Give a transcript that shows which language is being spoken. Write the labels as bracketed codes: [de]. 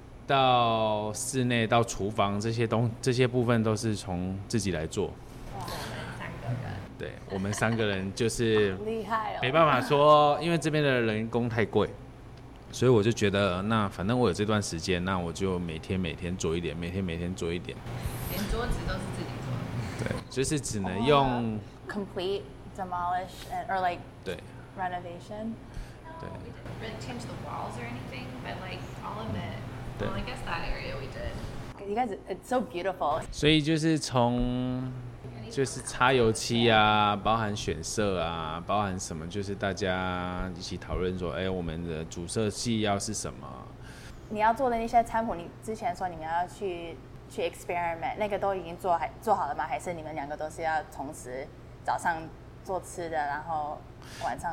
[zh] 到室内到厨房这些部分都是从自己来做。对，我们三个人就是厉害哦，没办法说，因为这边的人工太贵，所以我就觉得那反正我有这段时间，那我就每天每天做一点，每天每天做一点，连桌子都是自己做的。对，就是只能用、 [en] complete demolish and, or like [zh] 对 [en] renovation。 [zh] 对 [en] ，we didn't change the walls or anything, but like all of it. Well, I guess that area we did. You guys, it's so beautiful. [zh] 所以就是从就是擦油漆啊，包含选色啊，包含什么，就是大家一起讨论说，哎，我们的主色系要是什么。你要做的那些餐谱，你之前说你们要去 experiment， 那个都已经做好了吗？还是你们两个都是要同时早上做吃的，然后晚上？